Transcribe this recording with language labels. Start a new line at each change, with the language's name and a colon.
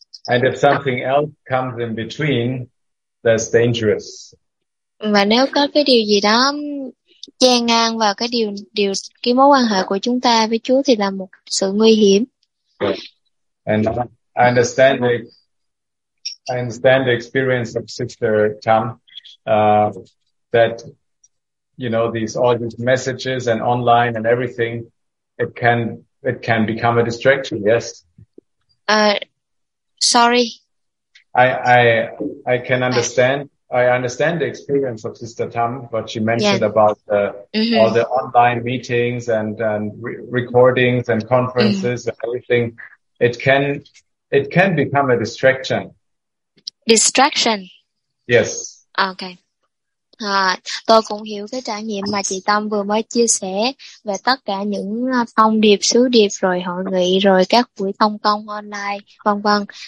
English: And if something else comes in between, that's dangerous.
Vietnamese: Và nếu có cái điều gì đó chen ngang vào cái điều cái mối quan hệ của chúng ta với Chúa thì là một sự nguy hiểm.
English: And I understand the experience of Sister Tam, that you know all these messages and online and everything, it can become a distraction. Yes. Sorry. I can understand. I understand the experience of Sister Tam, what she mentioned about all the online meetings and recordings and conferences and everything. It can become a distraction. Distraction. Yes. Okay.
Vietnamese: À, tôi cũng hiểu cái trải nghiệm mà chị Tâm vừa mới chia sẻ về tất cả những thông điệp, sứ điệp, rồi hội nghị, rồi các buổi thông công online, vân vân.